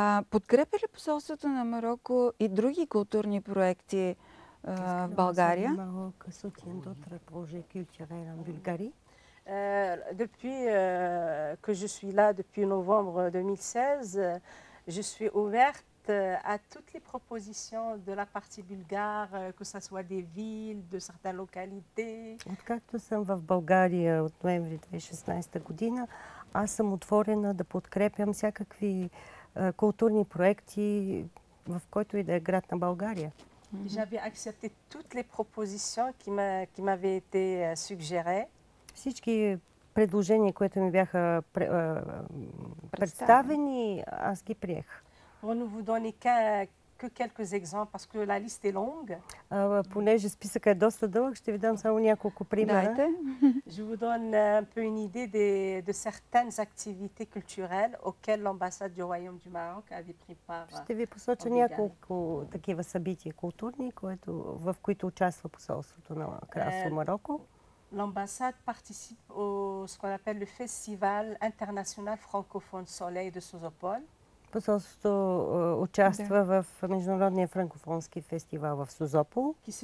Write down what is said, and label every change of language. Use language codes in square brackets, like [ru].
[bg] Подкрепя ли посолството на Марокко и други културни проекти в България? [fr] Марокко сутен до трапожи кюлтюрен в Бюлгария. Depuis que je suis là, depuis novembre 2016, je suis ouverte à toutes les propositions de la partie bulgare, que ce soit des villes, de certaines localités. [bg] Откакто съм в България от ноември 2016 година, аз съм отворена да подкрепям всякакви културни проекти, в който и да е град на България. [fr] J'avais accepté toutes les propositions qui m'avaient été suggérées. [bg] Всички предложения, които ми бяха представени, аз ги приех. [fr] Pour ne vous donner que quelques exemples, parce que la liste est longue. [bg] Понеже списъка е доста дълъг, ще ви дам само няколко примера. [fr] Je vous donne un peu une idée de certaines activités culturelles auxquelles l'ambassade du Royaume du Maroc avait pris part. [bg] Ще ви посоча няколко такива събития културни, в които участва посолството на Кралство Марокко. [fr] L'ambassade participe au ce qu'on appelle le Festival International Francophone Soleil de Созопол. [bg] Посолството участва в Международния франкофонски фестивал в Созопол,